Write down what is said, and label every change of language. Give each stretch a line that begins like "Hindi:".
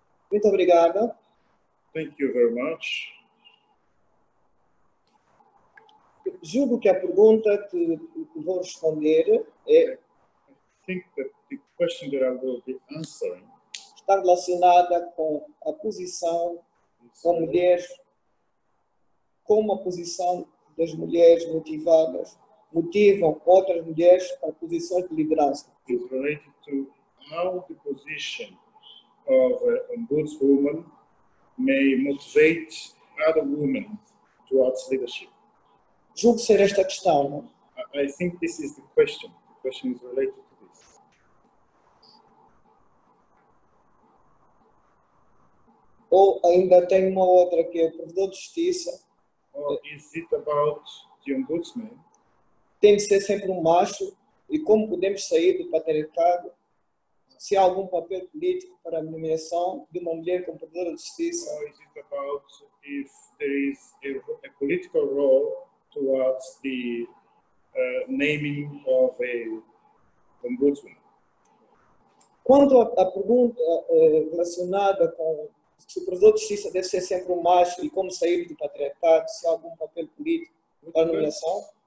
Portuguese: Muito obrigado.
English: Thank you very much.
Portuguese: Julgo que a pergunta que vou responder é...
English: I think that the question that I will be answering
Portuguese: está relacionada com a posição da mulher, como a posição das mulheres motivadas motivam outras mulheres para posições de liderança.
English: It's related to how the position of an ombudswoman may motivate other women towards leadership.
Portuguese: julgo ser esta questão.
English: I think this is the question. The question is related to this.
Portuguese: Ou ainda tem uma outra que é o provedor de justiça.
English: Or is it about the ombudsman?
Portuguese: Tem de ser sempre um macho. E como podemos sair do patriarcado? Se há algum papel político para a nomeação de uma mulher como provedora de justiça?
English: Or is it about if there is a political role towards the naming of a ombudsman?
Portuguese: Quanto à pergunta relacionada com se o provedor de justiça deve ser sempre um macho e como sair do patriarcado, se há algum papel político para a nomeação?